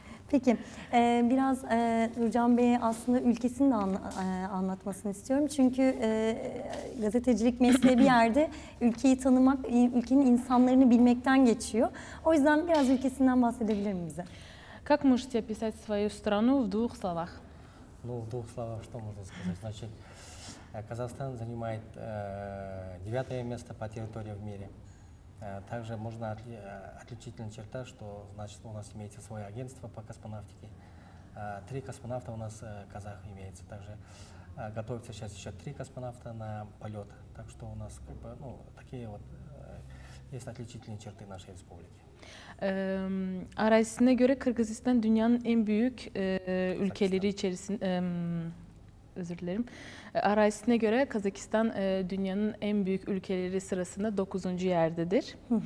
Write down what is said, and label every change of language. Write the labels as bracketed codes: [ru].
[tr] Peki, biraz Nurcan Bey'e aslında ülkesini de anlatmasını istiyorum. Çünkü gazetecilik mesleği bir yerde ülkeyi tanımak, ülkenin insanlarını bilmekten geçiyor. O yüzden biraz ülkesinden bahsedebilir miyiz? [ru] Как можете описать свою страну в двух словах? Ну, в двух словах что можно сказать? Значит, Казахстан занимает 9-е место по территории в мире. Также можно отличительная черта, что, значит, у нас имеется свое агентство по космонавтике. 3 космонавта у нас казах имеется. Также готовится сейчас еще 3 космонавта на полет. Так что у нас как бы, ну, такие вот есть отличительные черты нашей республики. [tr] Arazisine göre Kırgızistan dünyanın en büyük ülkeleri içerisinde, özür dilerim. Arazisine göre Kazakistan dünyanın en büyük ülkeleri sırasında 9. yerdedir.